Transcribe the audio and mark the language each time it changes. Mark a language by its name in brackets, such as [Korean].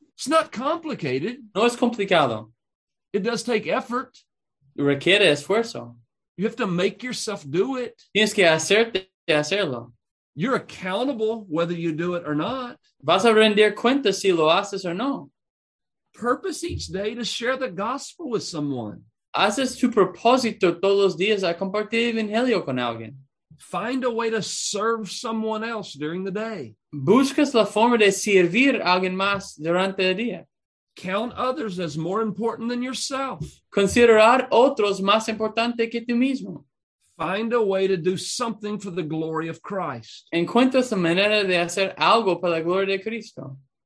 [English] It's not complicated. [Spanish] No es complicado. [English] It does take effort. [Spanish] Requiere esfuerzo. [English] You have to make yourself do it. [Spanish] Tienes que hacerlo. [English] You're accountable whether you do it or not. [Spanish] Vas a rendir cuenta si lo haces o no. [English] Purpose each day to share the gospel with someone. [Spanish] Haces tu propósito todos los días a compartir el evangelio con alguien. [English] Find a way to serve someone else during the day. [Spanish] Buscas la forma de servir a alguien más durante el día. [English] Count others as more important than yourself. [Spanish] Considerar otros más importante que tú mismo. [English] Find a way to do something for the glory of Christ. [Spanish] Encuentras la manera de hacer algo para la gloria de Cristo.